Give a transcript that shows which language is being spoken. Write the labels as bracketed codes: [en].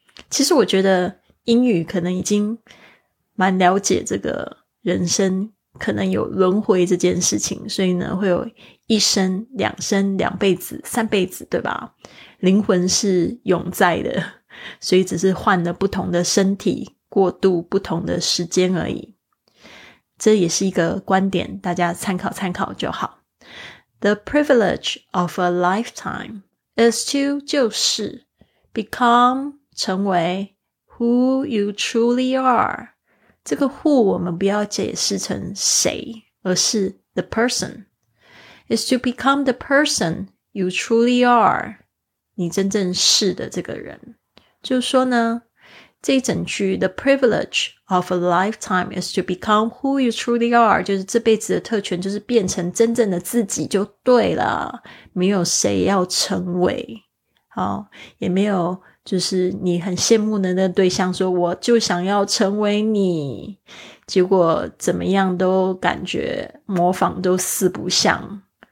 [zh] 其实我觉得英语可能已经蛮了解这个人生可能有轮回这件事情，所以呢会有一生两生两辈子三辈子，对吧？灵魂是永在的，所以只是换了不同的身体，过渡不同的时间而已。这也是一个观点，大家参考参考就好。 [en] The privilege of a lifetime is to [zh] 就是 [en] become [zh] 成为 [en] who you truly are。 [zh] 这个 who 我们不要解释成谁，而是 [en] the person is to become the person you truly are， [zh] 你真正是的这个人。就是说呢这一整句 [en] The privilege of a lifetime is to become who you truly are， [zh] 就是这辈子的特权就是变成真正的自己就对了，没有谁要成为，好，也没有就是你很羡慕的那对象说我就想要成为你，结果怎么样都感觉模仿都四不像。